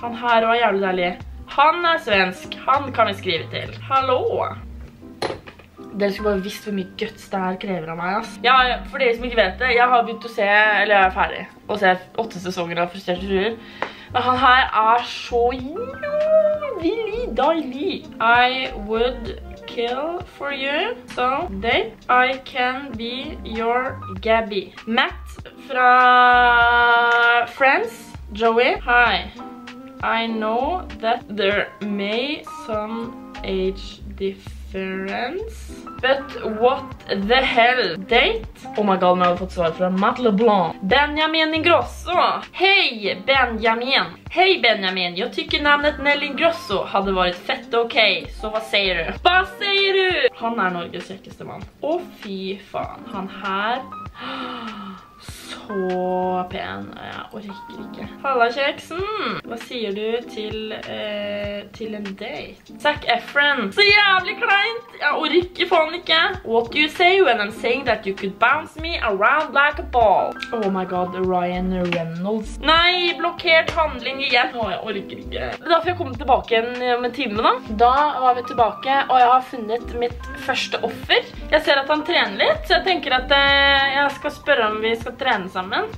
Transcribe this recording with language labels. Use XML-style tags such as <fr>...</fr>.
<no>Han her var jævlig deilig. Han er svensk. Han kan vi skrive til. Hallo! Dere skulle bare visst hvor mye guts det her krever av meg, ass. Ja, for dere som ikke vet det, jeg har begynt å se, eller jeg er ferdig, å se 8 sesonger av Frustrerte Fruer. Men han her er så jævlig deilig.</no> <en>I would... kill for you, so that I can be your Gabby.</en> <no>Matt fra Friends, Joey.</no> <en>Hi, I know that there may some age difference, but what the hell? Date? Oh my god,</en> <no>nå har vi fått svar fra Matt LeBlanc.</no> <sv>Benjamin Ingrosso. Hej Benjamin. Hej Benjamin, jag tycker namnet Nelly Ingrosso hade varit fett okej. Så vad säger du? Vad säger du? Han är Norges säkraste man. Åh fy fan, han här. Så</sv> <no>så pen, og jeg orker ikke. Halla, kjeksen! Hva sier du til, til en date? Zac Efron! Så jævlig kleint! Jeg orker faen ikke!</no> <en>What do you say when I'm saying that you could bounce me around like a ball? Oh my god, Ryan Reynolds.</en> <no>Nei, blokkert handling igjen! Å, jeg orker ikke. Da får jeg komme tilbake igjen om en time da. Da var vi tilbake, og jeg har funnet mitt første offer. Jeg ser at han trener litt, så jeg tenker at jeg skal spørre om vi skal trene sammen.</no>